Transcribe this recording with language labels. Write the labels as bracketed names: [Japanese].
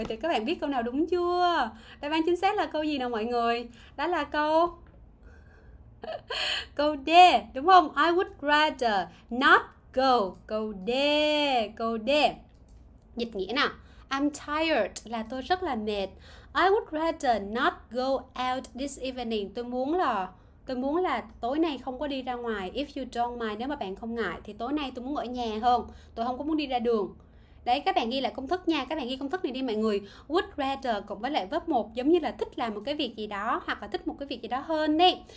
[Vietnamese] Vậy thì các bạn biết câu nào đúng chưa? Đáp án chính xác là câu gì nào mọi người? Đó là câu câu D đúng không? [English] I would rather not go. [Vietnamese] Câu D, câu D. Dịch nghĩa nào? [English] I'm tired [Vietnamese] là tôi rất là mệt. [English] I would rather not go out this evening. [Vietnamese] Tôi muốn là tối nay không có đi ra ngoài. [English] If you don't mind, [Vietnamese] nếu mà bạn không ngại thì tối nay tôi muốn ở nhà hơn. Tôi không có muốn đi ra đường. Đấy, các bạn ghi lại công thức nha. Các bạn ghi công thức này đi mọi người. Would rather cộng với lại verb 1 giống như là thích làm một cái việc gì đó hoặc là thích một cái việc gì đó hơn đi.